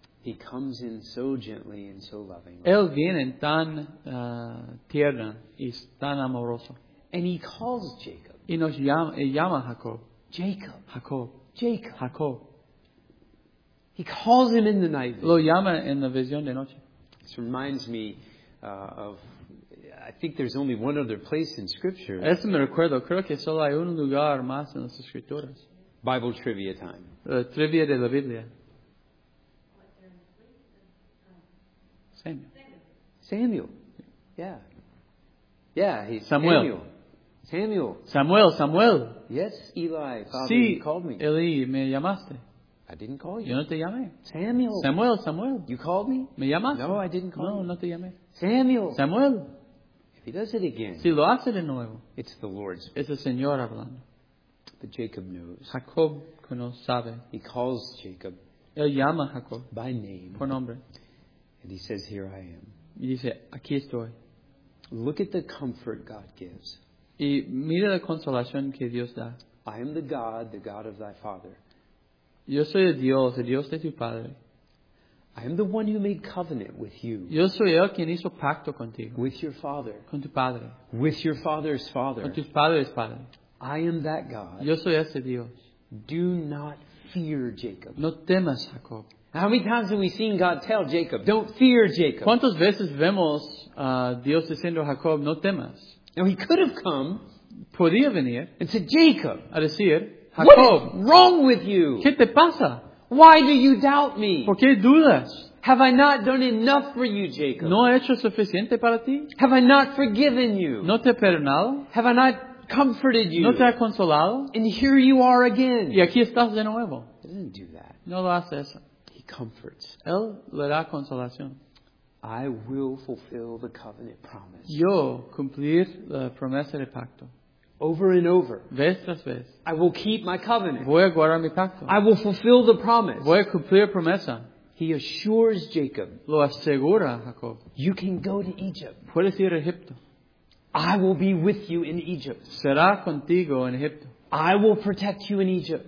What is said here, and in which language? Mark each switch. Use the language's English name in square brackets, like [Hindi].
[English] he comes in so gently and so loving. [Spanish] Él viene tan tierno y tan amoroso. [English] And he calls Jacob. [Spanish] Y nos llama Jacob. [English] Jacob. [Spanish] Jacob. [English] Jacob. [Spanish] Jacob. [English] He calls him in the night. [Spanish] Lo llama en la visión de noche. [English] This reminds me of, I think there's only one other place in Scripture. [Spanish] Eso me recuerdo. Creo que solo hay un lugar más en las Escrituras. [English] Bible trivia time. [Spanish] Trivia de la Biblia. [English] Samuel. Yeah. He's Samuel. Samuel. Samuel. Samuel. Yes, Eli. Father, [Spanish] sí, [English] you called me. [Spanish] Eli, me llamaste. [English] I didn't call you. [Spanish] Yo no te llamé. [English] Samuel. Samuel. Samuel. You called me. [Spanish] Me llamaste. [English] No, I didn't call [Spanish] no, [English] you. [Spanish] No, no te llamé. [English] Samuel. [Spanish] Samuel. [English] If he does it again. [Spanish] Si lo hace de nuevo. [English] It's the Lord's. [Spanish] Es el Señor hablando. [English] But Jacob knows. [Spanish] Jacob conoce, sabe. [English] He calls Jacob. [Spanish] Él llama a Jacob. [English] By name. [Spanish] Por nombre. [English] And he says, "Here I am." [Spanish] Y dice, aquí estoy. [English] Look at the comfort God gives. [Spanish] Y mira la consolación que Dios da. [English] "I am the God of thy father." [Spanish] Yo soy el Dios de tu padre. [English] "I am the one who made covenant with you." [Spanish] Yo soy el quien hizo pacto contigo. [English] "With your father." [Spanish] Con tu padre. [English] "With your father's father." [Spanish] Con tus padres padre. [English] "I am that God." [Spanish] Yo soy ese Dios. [English] "Do not fear, Jacob." [Spanish] No temas, Jacob. [English] How many times have we seen God tell Jacob, "Don't fear, Jacob"? [Spanish] ¿Cuántas veces vemos Dios diciendo a Jacob, "No temas"? [English] Now, he could have come, [Spanish] podía venir, [English] and said, "Jacob, [Spanish] a decir, Jacob, [English] what is wrong with you? [Spanish] ¿Qué te pasa? [English] Why do you doubt me? [Spanish] ¿Por qué dudas? [English] Have I not done enough for you, Jacob? [Spanish] ¿No he hecho suficiente para ti? [English] Have I not forgiven you? [Spanish] ¿No te he perdonado? [English] Have I not comforted you? [Spanish] ¿No te he consolado? [English] And here you are again." [Spanish] Y aquí estás de nuevo. [English] He didn't do that. [Spanish] No lo hace eso. [English] Comforts. [Spanish] Él le da consolación. [English] "I will fulfill the covenant promise." [Spanish] Yo cumplir la promesa de pacto. [English] Over and over. [Spanish] Vez tras vez. [English] "I will keep my covenant." [Spanish] Voy a guardar mi pacto. [English] "I will fulfill the promise." [Spanish] Voy a cumplir promesa. [English] He assures Jacob. [Spanish] Lo asegura Jacob. [English] "You can go to Egypt." [Spanish] Puedes ir a Egipto. [English] "I will be with you in Egypt." [Spanish] Será contigo en Egipto. [English] "I will protect you in Egypt."